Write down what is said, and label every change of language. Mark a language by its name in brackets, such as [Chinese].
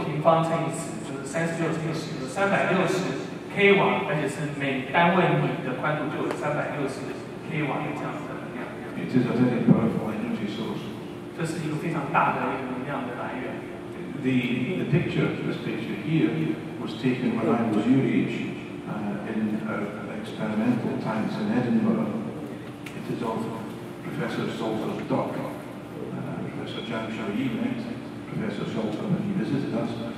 [Chinese] 好，如果我们举例，我们有个六米高的波浪，然后周期10秒，那就是六平方乘以十，就是36乘以10，360 k 瓦，而且是每单位米的宽度就有360 k 瓦这样。 [English] It is a very powerful energy source. [Chinese] 这是一个非常大的一个能量的来源。 [English] The picture, this picture here, was taken when I was your age in our experimental times in Edinburgh. It is of Professor Salter's daughter, Professor Chan Shou-Yi, met Professor Salter when he visited us.